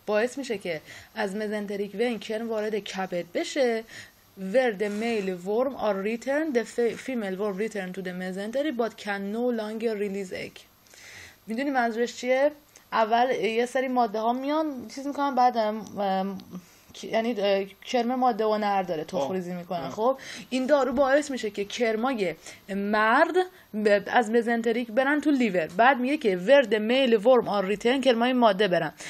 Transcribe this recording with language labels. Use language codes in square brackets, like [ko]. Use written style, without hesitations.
[fa] باعث میشه که از mesenteric vein کرم وارد کبد بشه. [en] Where the male worm are returned the female worm return to the mesentery but can no longer release egg. [fa] میدونی منظورش چیه؟ اول یه سری ماده ها میان چیز میکنن بعد یعنی کرم ماده و نر داره تخریزی میکنن. خب این دارو باعث میشه که کرمای مرد از مزنتریک برن تو لیور. بعد میگه که [en] ورد میل ورم آر ریترن [fa] کرمای ماده برن.